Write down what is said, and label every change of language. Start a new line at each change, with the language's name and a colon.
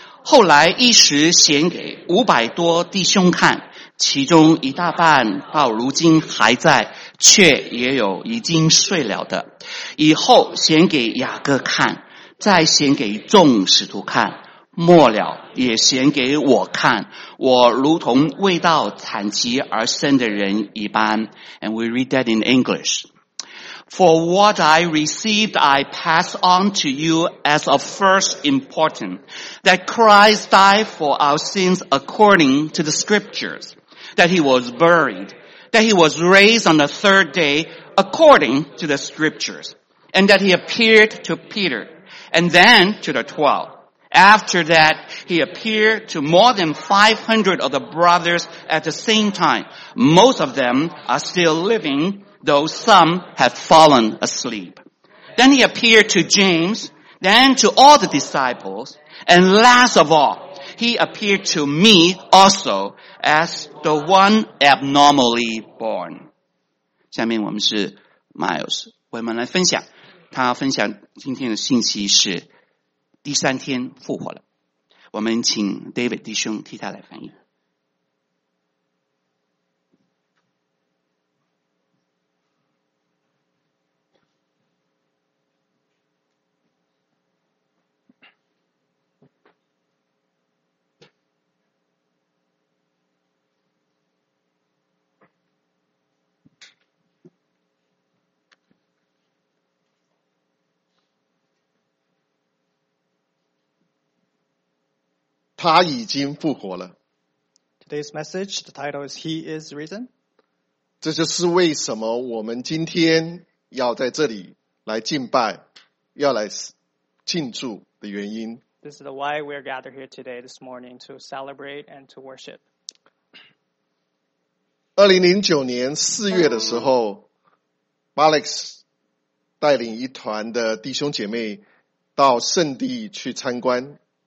Chinese: 后来一时显给500多弟兄看，其中一大半到如今还在，却也有已经睡了的，以后显给雅各看，再显给众使徒看，末了也显给我看，我如同未到残疾而生的人一般。
English: And we read that in English. For what I received I pass on to you as of first importance, that Christ died for our sins according to the scriptures, that he was buried, that he was raised on the third day according to the scriptures, and that he appeared to Peter. And then to the 12. After that, he appeared to more than 500 of the brothers at the same time. Most of them are still living, though some have fallen asleep. Then he appeared to James, then to all the disciples, and last of all, he appeared to me also as the one abnormally born.
Chinese: 下面我们是 Miles, 为我们来分享。他分享今天的信息是第三天复活了，我们请 David 弟兄替他来翻译。他已经复活了。
English: Today's message, the title is He is Risen.
Chinese: 这就是为什么我们今天要在这里来敬拜，要来庆祝的原因。
English: This is why we are gathered here today this morning to celebrate and to worship.
Chinese: 2009年4月的时候 ，Alex 带领一团的弟兄姐妹到圣地去参观。